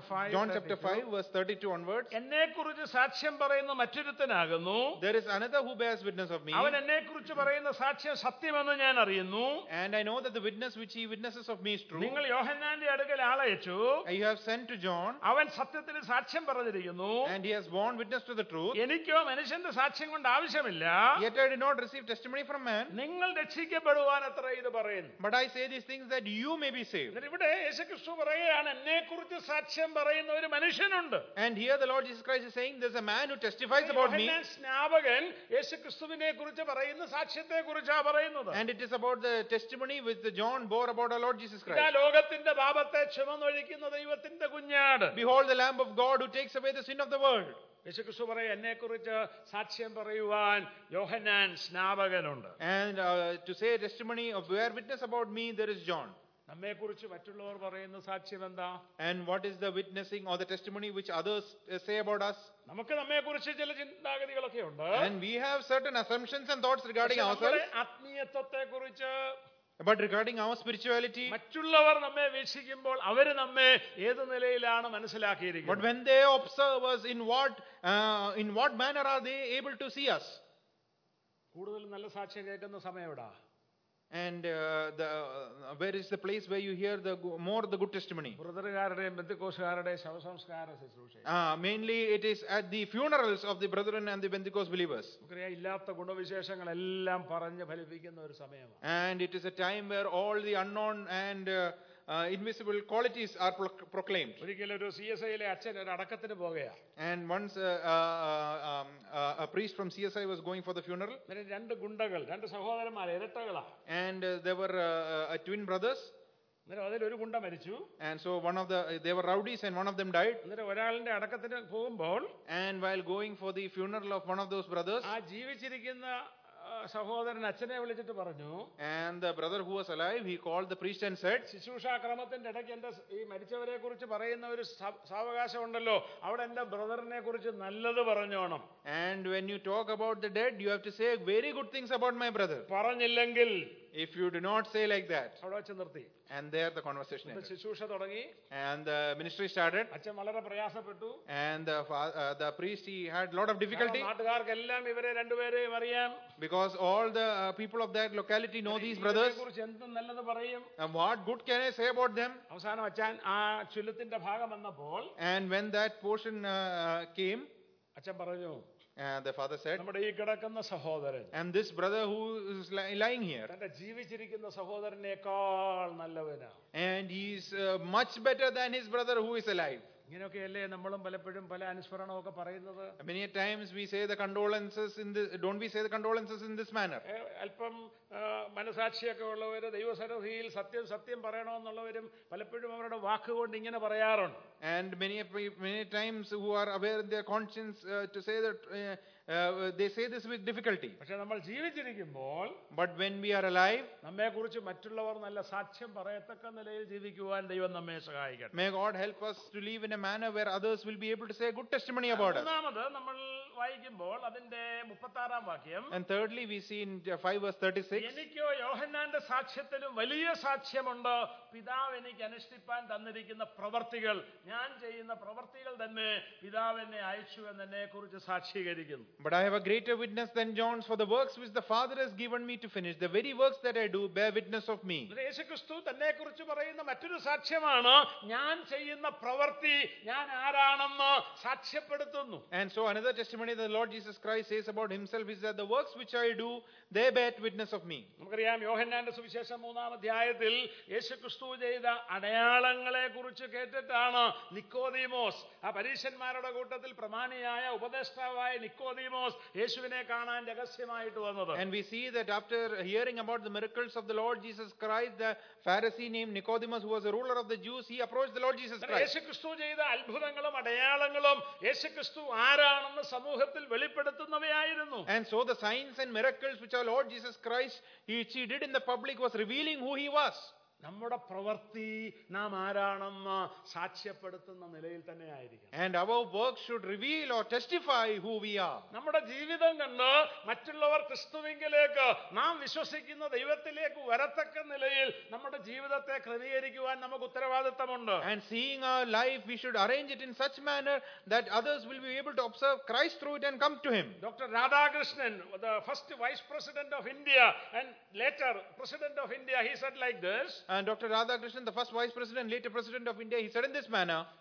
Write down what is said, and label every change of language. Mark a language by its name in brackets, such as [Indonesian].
[English] John chapter 5 verse 32 onwards. [Malayalam] എന്നെക്കുറിച്ച് സാക്ഷ്യം പറയുന്ന മറ്റൊരുത്തനാകുന്നു. [English] There is another who bears witness of me. [Malayalam] അവൻ എന്നെക്കുറിച്ച് പറയുന്ന സാക്ഷ്യം സത്യമെന്ന് ഞാൻ. [English] And I know that the witness which he witnesses of me is true. [Malayalam] നിങ്ങൾ യോഹന്നാന്റെ അടുക്കൽ ആളയച്ചു. [English] You have sent to John. [Malayalam] അവൻ സത്യത്തിന് സാക്ഷ്യം പറഞ്ഞിരിക്കുന്നു. [English] And he has borne witness to the truth. [Malayalam] എനിക്കോ മനുഷ്യന്റെ സാക്ഷ്യം കൊണ്ട് ആവശ്യമില്ല. [English] Yet I did not receive testimony from man. [Malayalam] നിങ്ങൾ രക്ഷിക്കപ്പെടുവാൻ അത്ര ഇത് പറയുന്നു. [English] But I say these things that you may be saved. [Malayalam] ഇവിടെ യേശുക്രിസ്തു പറയുകയാണ് എന്നെക്കുറിച്ച് സാക്ഷ്യം പറയുന്ന ഒരു മനുഷ്യനുണ്ട്. [English] And here the Lord Jesus Christ is saying there's a man who testifies about me. [Malayalam] യോഹന്നാൻ സ്നാപകൻ യേശുക്രിസ്തുവിനെക്കുറിച്ച് പറയുന്ന സാക്ഷ്യത്തെക്കുറിച്ചാണ് പറയുന്നത്. [English] And it is about the testimony which John bore about our Lord Jesus Christ. [Malayalam] ലോകത്തിന്റെ പാപത്തെ ക്ഷമനൊഴിക്കുന്ന ദൈവത്തിന്റെ കുഞ്ഞാട്. [English] Behold the Lamb of God who takes away the sin of the world. [Malayalam] യേശുക്രിസ്തു പറയ എന്നെക്കുറിച്ച് സാക്ഷ്യം പറയുവാൻ യോഹന്നാൻ സ്നാപകനുണ്ട്. [English] And to say testimony of bear witness about me there is John. [Malayalam] നമ്മെക്കുറിച്ച് മറ്റുള്ളവർ പറയുന്ന സാക്ഷ്യം എന്താ? [English] And what is the witnessing or the testimony which others say about us? [Malayalam] നമുക്ക് നമ്മെക്കുറിച്ച് ചില ചിന്താഗതികളൊക്കെ ഉണ്ട്. [English] And we have certain assumptions and thoughts regarding ourselves. [Malayalam] ആത്മീയത്വത്തെക്കുറിച്ച് [English] But regarding our spirituality, [Malayalam] മറ്റുള്ളവർ നമ്മെ വീക്ഷിക്കുമ്പോൾ അവർ നമ്മെ ഏത് നിലയിലാണ് മനസ്സിലാക്കിയിരിക്കുന്നത്? [English] But when they observe us in what manner are they able to see us? [Malayalam] കൂടുതൽ നല്ല സാക്ഷ്യം കേൾക്കുന്ന സമയമെവിടാ? [English] And where is the place where you hear the good testimony? [Malayalam] ബ്രദറുകാരുടെ ബന്ധുക്കോസുകാരുടെ ശവസംസ്കാര ശുശ്രൂഷ. [English] Mainly it is at the funerals of the brethren and the Pentecost believers. [Malayalam] ഒക്കെ ഇല്ലാത്ത ഗുണവിശേഷങ്ങൾ എല്ലാം പറഞ്ഞു ഫലിപ്പിക്കുന്ന ഒരു സമയമാണ്. [English] And it is a time where all the unknown and invisible qualities are proclaimed. [Malayalam] ഒരിക്കലും ഒരു CSI-യിലെ അച്ഛൻ ഒരു അടക്കത്തിന് പോവുകയാ. [English] And once a priest from CSI was going for the funeral. [Malayalam] രണ്ട് ഗുണ്ടകൾ, രണ്ട് സഹോദരന്മാർ, ഇരട്ടകളാ. [English] And they were twin brothers. [Malayalam] ഒരു ഗുണ്ട മരിച്ചു. [English] And so one of the they were rowdies and one of them died. [Malayalam] ഒരാളിന്റെ അടക്കത്തിന് പോകുമ്പോൾ. [English] And while going for the funeral of one of those brothers. [Malayalam] ആ ജീവിച്ചിരിക്കുന്ന സഹോദരൻ അച്ഛനെ വിളിച്ചിട്ട് പറഞ്ഞു. [English] And the brother who was alive, he called the priest and said, [Malayalam] ശുശ്രൂഷാക്രമത്തിന്റെ ഇടയ്ക്ക് എന്റെ ഈ മരിച്ചവരെ കുറിച്ച് പറയുന്ന ഒരു സാവകാശം ഉണ്ടല്ലോ, അവിടെ എന്റെ ബ്രദറിനെ കുറിച്ച് നല്ലത് പറഞ്ഞോണം. [English] And when you talk about the dead, you have to say very good things about my brother. [Malayalam] പറഞ്ഞില്ലെങ്കിൽ, [English] if you do not say like that, [Malayalam] അവിടെ വെച്ച് നിർത്തി. [English] And there the conversation ended. [Malayalam] ശുശ്രൂഷ തുടങ്ങി. [English] And the ministry started. [Malayalam] അച്ഛൻ വളരെ പ്രയാസപ്പെട്ടു. [English] And the priest, he had lot of difficulty. [Malayalam] നാട്ടുകാർക്കെല്ലാം ഇവരെ രണ്ടുപേരെയും അറിയാം. [English] Because all the people of that locality know these brothers. And what good can I say about them? [Malayalam] അവസാനം അച്ഛൻ ആ ചുല്ലത്തിന്റെ ഭാഗം വന്നപ്പോൾ, [English] and when that portion came, [Malayalam] അച്ഛൻ പറഞ്ഞു, [English] and the father said, [Malayalam] നമ്മുടെ ഈ കിടക്കുന്ന സഹോദരൻ, [English] and this brother who is lying here, [Malayalam] തന്റെ ജീവിച്ചിരിക്കുന്ന സഹോദരനേക്കാൾ നല്ലവനാണ്. [English] And he is much better than his brother who is alive. [Malayalam] ഇങ്ങനെയൊക്കെയല്ലേ നമ്മളും പലപ്പോഴും പല അനുസ്മരണം ഒക്കെ പറയുന്നത്? [English] Many times we say the condolences in this, don't we say the condolences in this manner? [Malayalam] അല്പം മനസാക്ഷിയൊക്കെ ഉള്ളവര് ദൈവസന്നിധിയിൽ സത്യം സത്യം പറയണമെന്നുള്ളവരും പലപ്പോഴും അവരുടെ വാക്കുകൊണ്ട് ഇങ്ങനെ പറയാറുണ്ട്. [English] And many times who are aware in their conscience to say that they say this with difficulty. [Malayalam] പക്ഷേ നമ്മൾ ജീവിച്ചിരിക്കുമ്പോൾ, [English] but when we are alive, [Malayalam] നമ്മെക്കുറിച്ച് മറ്റുള്ളവർ നല്ല സാക്ഷ്യം പറയത്തക്ക നിലയിൽ ജീവിക്കുവാൻ ദൈവം നമ്മെ സഹായിക്കട്ടെ. [English] May God help us to live in a manner where others will be able to say good testimony about us. [Malayalam] നാമത നമ്മൾ വായിക്കുമ്പോൾ അതിന്റെ 36-ാം വാക്യം. [English] And thirdly we see in 5 verse 36. [Malayalam] എനിക്കോ യോഹന്നാന്റെ സാക്ഷ്യത്തിലും വലിയ സാക്ഷ്യമുണ്ട്, പിതാവ് എനിക്ക് അനുഷ്ഠിപ്പാൻ തന്നിരിക്കുന്ന പ്രവൃത്തികൾ, ഞാൻ ചെയ്യുന്ന പ്രവൃത്തികൾ തന്നെ പിതാവ് എന്നെ അയച്ചു എന്നെ കുറിച്ച് സാക്ഷീകരിക്കുന്നു. [English] But I have a greater witness than John's for the works which the Father has given me to finish. The very works that I do bear witness of me. [Malayalam] യേശുക്രിസ്തു തന്നെ കുറിച്ച് പറയുന്ന മറ്റൊരു സാക്ഷ്യമാണ് ഞാൻ ചെയ്യുന്ന പ്രവൃത്തി ഞാൻ ആരാണെന്ന് സാക്ഷ്യപ്പെടുത്തുന്നു. [English] And so another testimony testimony that the Lord Jesus Christ says about himself is that the works which I do, they bear witness of me. [Malayalam] നമുക്കറിയാം യോഹന്നാന്റെ സുവിശേഷം 3-ാം അധ്യായത്തിൽ യേശുക്രിസ്തു ചെയ്ത അടയാളങ്ങളെ കുറിച്ച് കേട്ടിട്ടാണ് നിക്കോദീമോസ്, ആ പരീശന്മാരുടെ കൂട്ടത്തിൽ പ്രമാണിയായ ഉപദേഷ്ടാവായ നിക്കോദീമോസ് യേശുവിനെ കാണാൻ രഹസ്യമായിട്ട് വന്നത്. [English] And we see that after hearing about the miracles of the Lord Jesus Christ, the Pharisee named Nicodemus, who was a ruler of the Jews, he approached the Lord Jesus Christ. [Malayalam] യേശുക്രിസ്തു ചെയ്ത അത്ഭുതങ്ങളും അടയാളങ്ങളും യേശുക്രിസ്തു ആരാണെന്ന് സമൂഹത്തിൽ വെളിപ്പെടുത്തുന്നവയായിരുന്നു. [English] And so the signs and miracles which our Lord Jesus Christ he did in the public was revealing who he was. [Malayalam] നമ്മുടെ പ്രവൃത്തി നാം ആരാണെന്ന് സാക്ഷ്യപ്പെടുത്തുന്ന നിലയിൽ തന്നെയായിരിക്കണം. [English] And our work should reveal or testify who we are. [Malayalam] നമ്മുടെ ജീവിതം കണ്ട് മറ്റുള്ളവർ ക്രിസ്തുവിങ്കിലേക്ക്, നാം വിശ്വസിക്കുന്ന ദൈവത്തിലേക്ക് വരത്തക്ക നിലയിൽ നമ്മുടെ ജീവിതത്തെ ക്രമീകരിക്കുവാൻ നമുക്ക് ഉത്തരവാദിത്തമുണ്ട്. [English] And seeing our life, we should arrange it in such manner that others will be able to observe Christ through it and come to him. Dr. Radhakrishnan, the first Vice President of India and later President of India, he said like this. And Dr. Radhakrishnan, the first Vice President, later President of India, he said in this manner,